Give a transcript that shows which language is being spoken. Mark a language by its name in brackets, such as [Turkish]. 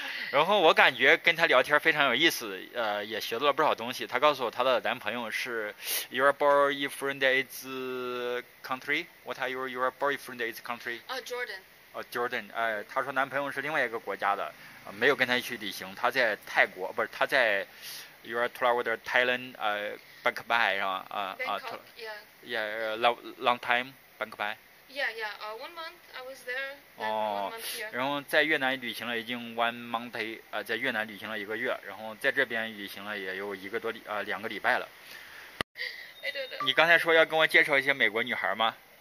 [Chinese] 然后我感觉跟他聊天非常有意思，也学到了不少东西。他告诉我他的男朋友是 [English] your boyfriend is country, what are your boyfriend is country? Jordan. [Chinese] Jordan, 他说男朋友是另外一个国家的，没有跟他去旅行，他在泰国，不是他在 [English] your traveled Thailand, Bangkok [Chinese] 是吧？ [English] Bangkok, yeah. long time Bangkok。 Yeah, one month I was there, then one 哦， month here. [Chinese] 然后在越南旅行了已经 [English] one month， [Chinese] 在越南旅行了一个月，然后在这边旅行了也有一个多礼，两个礼拜了。 [English] I don't know. [Chinese] 你刚才说要跟我介绍一些美国女孩吗？